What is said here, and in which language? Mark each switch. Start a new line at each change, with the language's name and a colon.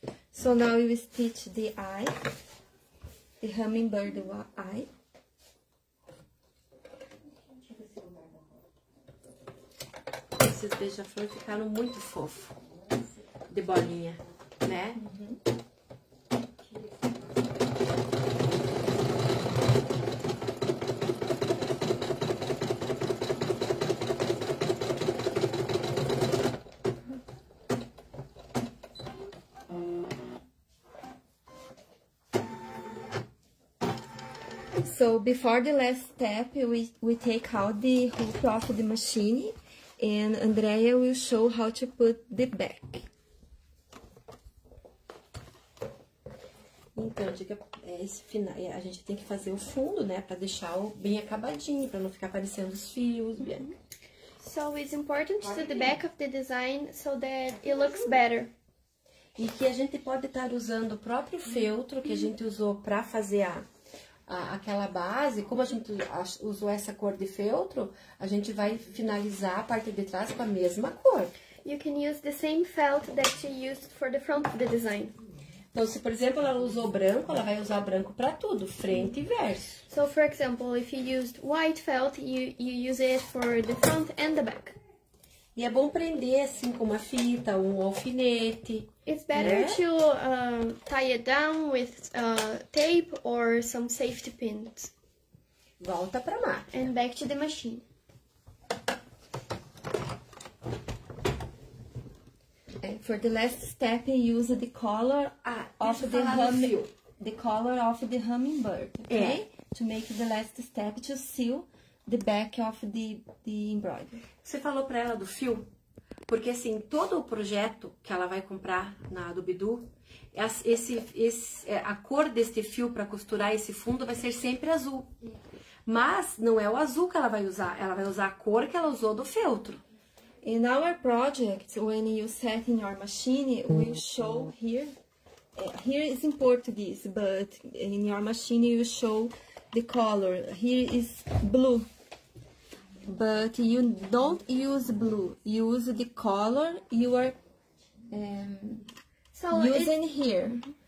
English: So now you stitch the eye, the hummingbird eye.
Portuguese: Esses beija-flor ficaram muito fofo, de bolinha, né? Uhum.
English: So before the last step, we take out the hoop off the machine, and Andrea will show how to put the back.
Portuguese: Então, diga, esse final, a gente tem que fazer o fundo, né, para deixar bem acabadinho, para não ficar aparecendo os fios. Mm-hmm.
English: So it's important to the back of the design so that it looks better.
Portuguese: E que a gente pode estar usando o próprio feltro que a gente usou para fazer a aquela base, como a gente usou essa cor de feltro, a gente vai finalizar a parte de trás com a mesma cor.
English: You can use the same felt that you used for the front of the design.
Portuguese: Então, se por exemplo ela usou branco, ela vai usar branco para tudo, frente e verso.
English: So, for example, if you used white felt, you use it for the front and the back.
Portuguese: E é bom prender assim com uma fita, um alfinete.
English: It's better to tie it down with tape or some safety pins.
Portuguese: Volta para a máquina.
English: And back to the machine. And for the last step, use the color of the color of the hummingbird, okay? Yeah. To make the last step to seal the back of the embroidery.
Portuguese: Você falou para ela do fio? Porque, assim, todo o projeto que ela vai comprar na Dubidu, a cor deste fio para costurar esse fundo vai ser sempre azul. Mas não é o azul que ela vai usar. Ela vai usar a cor que ela usou do feltro.
English: In our project, when you set in your machine, we'll show here. Here is in Portuguese, but in your machine you show the color. Here is blue. But you don't use blue, you use the color you are using here.